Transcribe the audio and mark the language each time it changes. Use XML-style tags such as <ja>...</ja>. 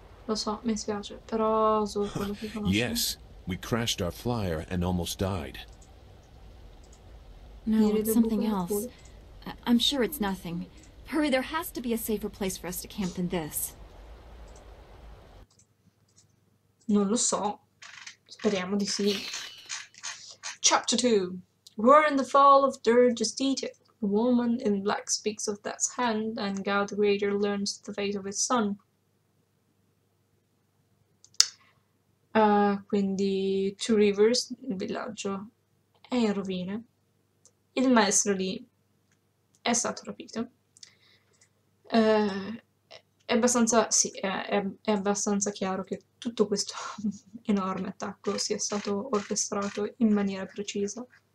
<it>Lo so, mi spiace, però so quello che conosco.</it> <en>Yes, we crashed our flyer and almost died. No, it's something else. I'm sure it's nothing. Hurry, there has to be a safer place for us to camp than this.</en> <it>Non lo so. Speriamo di sì.</it> <en>Chapter 2. War in the fall of Durgestita. A woman in black speaks of Death's hand, and Gao the Greater learns the fate of his son.</en> <it>Quindi Two Rivers, il villaggio, è in rovine. Il maestro lì è stato rapito. È abbastanza, sì, è abbastanza chiaro che tutto questo enorme attacco sia stato orchestrato in maniera precisa.</it>